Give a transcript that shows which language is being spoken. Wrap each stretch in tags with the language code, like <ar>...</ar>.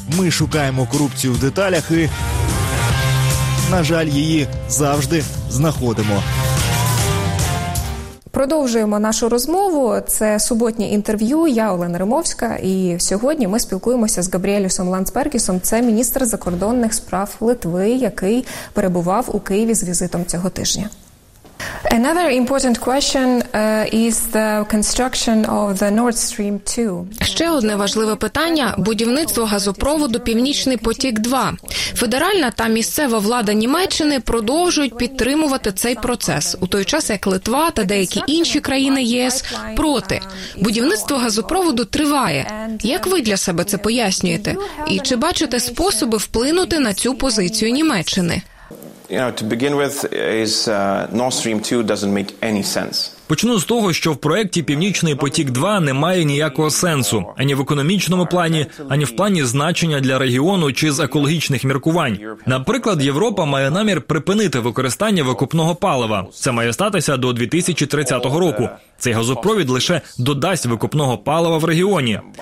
<uk>Ми шукаємо корупцію в деталях і, на жаль, її завжди знаходимо. Продовжуємо нашу розмову. Це суботнє інтерв'ю. Я Олена Римовська. І сьогодні ми спілкуємося з Габріелісом Ландсбергісом. Це міністр закордонних справ Литви, який перебував у Києві з візитом цього тижня.</uk> <en>Another important question is the construction of the Nord Stream 2.</en> <uk>Ще одне важливе питання – будівництво газопроводу «Північний потік-2». Федеральна та місцева влада Німеччини продовжують підтримувати цей процес, у той час як Литва та деякі інші країни ЄС проти. Будівництво газопроводу триває. Як ви для себе це пояснюєте? І чи бачите способи вплинути на цю позицію Німеччини?</uk> <en>You know, to begin with, is Nord Stream 2 doesn't make any sense.</en> <uk>Почну з того, що в проєкті «Північний потік-2» немає ніякого сенсу, ані в економічному плані, ані в плані значення для регіону чи з екологічних міркувань. Наприклад, Європа має намір припинити використання викопного палива. Це має статися до 2030 року. Цей газопровід лише додасть викопного палива в регіоні.</uk>